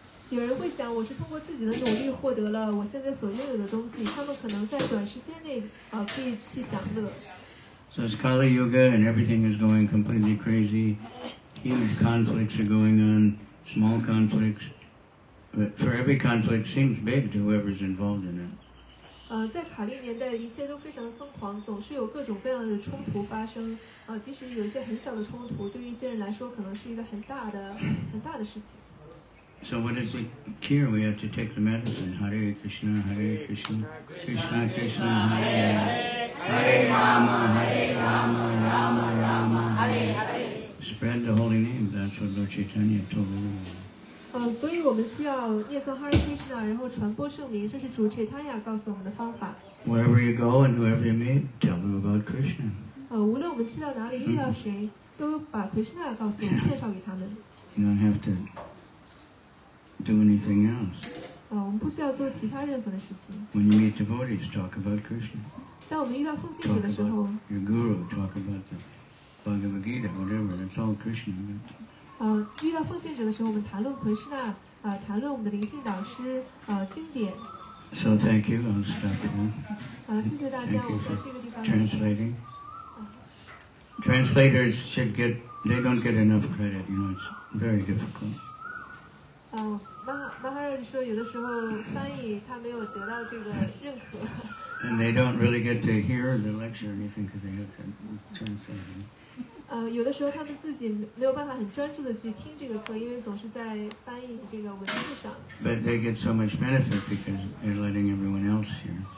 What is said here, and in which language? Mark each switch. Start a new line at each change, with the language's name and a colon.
Chinese: 有人会想我是通过自己的努力获得了我现在所拥有的东西，他们可能在短时间内可以去享乐。
English: So it's Kali Yuga and everything is going completely crazy. Huge conflicts are going on, small conflicts. But for every conflict seems big to whoever's involved in it.
Chinese: 在卡利年代一切都非常的疯狂，总是有各种各样的冲突发生。即使有一些很小的冲突，对于一些人来说可能是一个很大的事情。
English: So what is the cure? We have to take the medicine. Hare Krishna, Hare Krishna, Krishna Krishna, Hare Hare.
Sanskrit: Hare Rama, Hare Rama, Rama Rama, Hare Hare.
English: Spread the holy name. That's what Lord Chaitanya told the world.
Chinese: 所以我们需要念诵 Hare Krishna， 然后传播圣名，这是主 Chaitanya 告诉我们的方法。
English: Wherever you go and whoever you meet, tell them about Krishna.
Chinese: 无论我们去到哪里，遇到谁，都把 Krishna 告诉我们，介绍给他们。
English: You don't have to. Do anything else.
Chinese: 我们不需要做其他任何的事情。
English: When you meet devotees, talk about Krishna.
Chinese: 当我们遇到奉献者的时候
English: ，talk about your guru, talk about the Bhagavad Gita, whatever. It's all Krishna.
Chinese: 遇到奉献者的时候，我们谈论 Krishna， 谈论我们的灵性导师，经典。
English: So thank you. I'll stop here.
Chinese: 谢谢大家，我们在这个地方。
English: Translating. Translators should get. They don't get enough credit. You know, it's very difficult.
Chinese: Maharaj 说有的时候翻译他没有得到这个认可。
English: And they don't really get to hear the lecture or anything because they have to translate.
Chinese: 有的时候他们自己没有办法很专注的去听这个课，因为总是在翻译这个文字上。
English: But they get so much benefit because they're letting everyone else hear.